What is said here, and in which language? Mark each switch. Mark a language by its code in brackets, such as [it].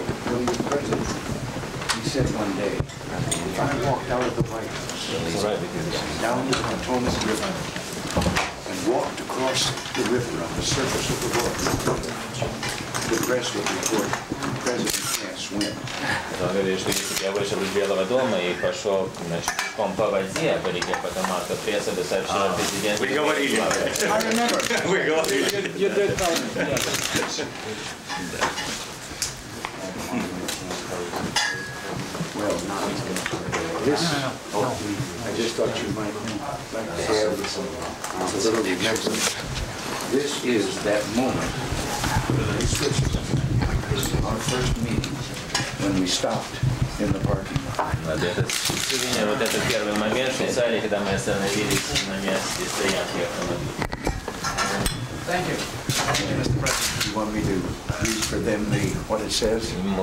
[en] He said one day, if I walked out of the White House, down the Potomac River, and walked across the river on the surface of the water, the press would report the president. [ru] Он говорит, что если бы я вышел из Белого дома и пошел, значит, по воде, по реке Потомака, пресса бы сообщила президенту... Вы говорили. [en] I remember. [ru] Вы говорили. [en] You did tell me. This is that moment. This is our first meeting. When we stopped in the parking lot. [ru] Вот это первый момент, специально когда мы остановились на месте стоянки автомобиля. [en] Thank you. Thank you, Mr. President. You want me to read for them what it says?